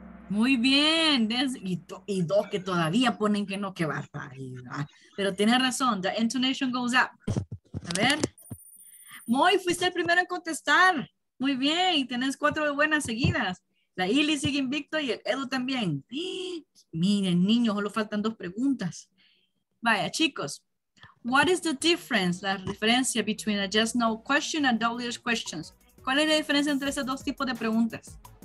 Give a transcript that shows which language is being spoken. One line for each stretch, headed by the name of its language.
Spanish: Muy bien, y dos que todavía ponen que no, que barbaridad. Pero tienes razón,
English: the intonation goes up.
Spanish: A ver. Moy, fuiste el primero en contestar. Muy bien, tenés cuatro buenas seguidas. La Ili sigue invicto y el Edu también. Miren, niños, solo faltan dos preguntas. Vaya, chicos.
English: What is the difference,
Spanish: la diferencia
English: between a just no question and WH questions?
Spanish: ¿Cuál es la diferencia entre esos dos tipos de preguntas?